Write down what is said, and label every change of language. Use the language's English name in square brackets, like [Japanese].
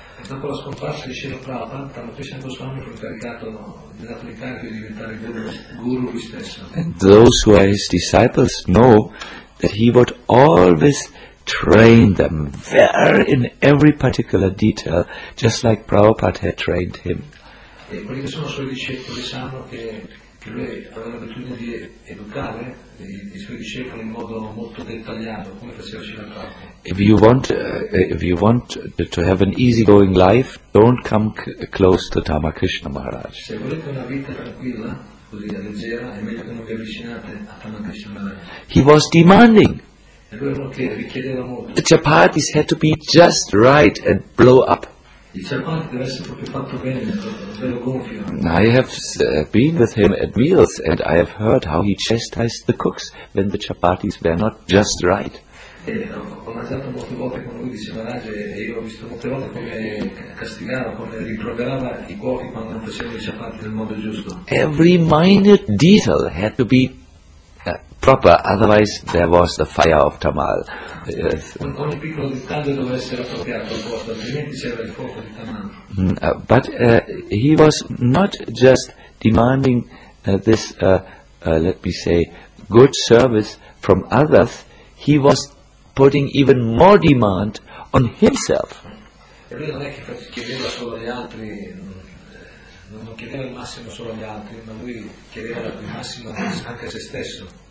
[English] And those who are his disciples know that he would always train them very in every particular detail, just like Prabhupada had trained him. [Italian] Che lui aveva l'abitudine di educare i suoi discepoli in modo molto dettagliato, come faceva Srila Prabhupada. [English] If you want to have an easy going life, don't come close to Tamakrishna Maharaj. [Italian] Se volete una vita tranquilla, così leggera, è meglio che non vi avvicinate a Tamakrishna Maharaj. [English] He was demanding. [Italian] E lui era uno che richiedeva molto. [English] The chapatis had to be just right and blow up. I have been with him at meals and I have heard how he chastised the cooks when the chapatis were not just right. Every minute detail had to be proper, otherwise there was the fire of Tamal. [Italian] Ogni piccolo dettaglio doveva essere appropriato al posto, altrimenti c'era il fuoco di Tamal. [English] But he was not just demanding this, let me say, good service from others, he was putting even more demand on himself. [Italian] E lui non è che chiedeva solo agli altri, non chiedeva il massimo solo agli altri, ma lui chiedeva il massimo anche a se stesso.